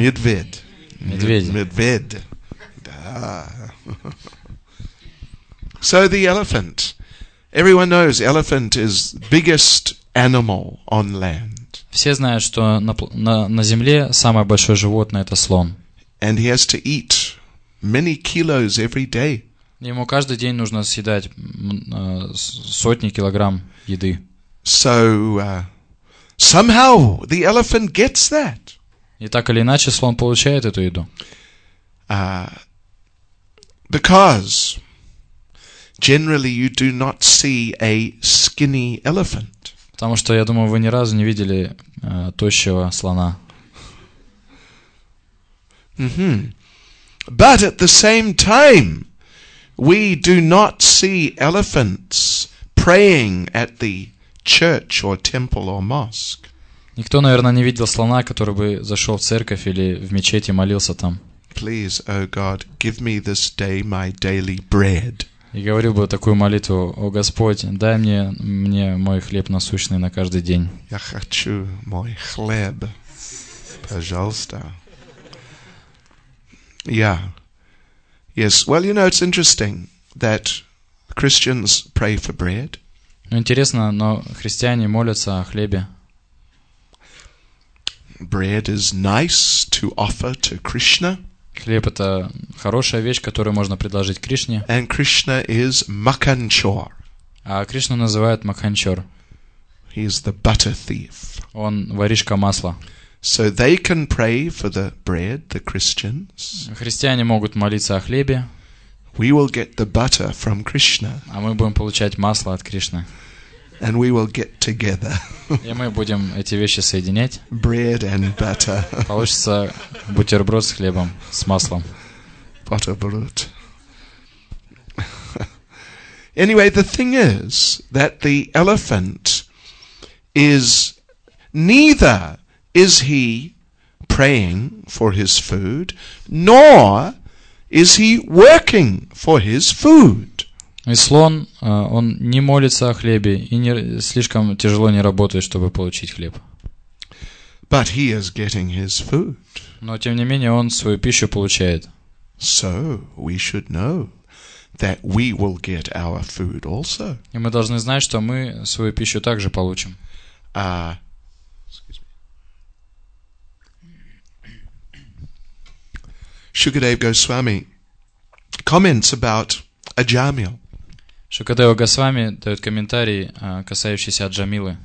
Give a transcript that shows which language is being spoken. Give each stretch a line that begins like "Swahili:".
Russian: Медведь. Да.
English: So the elephant. Everyone knows elephant is biggest animal on land.
Russian: Все знают, что на земле самое большое животное это слон.
English: And he has to eat many kilos every day.
Russian: Ему каждый день нужно съедать сотни килограмм еды.
English: So somehow the elephant gets that.
Russian: И так или иначе слон получает эту еду.
English: Because generally, you do not see a skinny elephant.
Russian: Потому что, я думаю, вы ни разу не видели тощего слона. Mm-hmm.
English: But at the same time, we do not see elephants praying at the church or temple or mosque.
Russian: Никто, наверное, не видел слона, который бы зашел в церковь или в мечеть и молился там.
English: Please, O God, give me this day my daily bread.
Russian: И говорил бы такую молитву: «О Господь, дай мне мой хлеб насущный на каждый день». Я хочу мой хлеб, пожалуйста.
English: Yeah. Yes. Well, you know, it's interesting that Christians pray for bread.
Russian: Ну, интересно, но христиане молятся о хлебе.
English: Bread is nice to offer to Krishna.
Russian: Хлеб — это хорошая вещь, которую можно предложить Кришне.
English: And Krishna is Makanchor.
Russian: А Кришну называют Маканчор.
English: He is the butter thief.
Russian: Он воришка масла.
English: So they can pray for the bread, the Christians.
Russian: Христиане могут молиться о хлебе.
English: We will get the butter from Krishna.
Russian: А мы будем получать масло от Кришны.
English: And we will get together.
Russian: И мы будем эти вещи соединять.
English: Bread and butter.
Russian: Получится бутерброд с хлебом, с маслом.
German: Butterbrot.
English: Anyway, the thing is that the elephant is neither is he praying for his food, nor is he working for his food.
Russian: И слон, он не молится о хлебе и не, слишком тяжело не работает, чтобы получить хлеб.
English: But he is getting his food.
Russian: Но тем не менее он свою пищу получает.
English: So we should know that we will get our food also.
Russian: И мы должны знать, что мы свою пищу также получим.
English: Shukadev Goswami comments about Ajamil.
Russian: Шукадева Госвами дает комментарий, касающийся Аджамилы.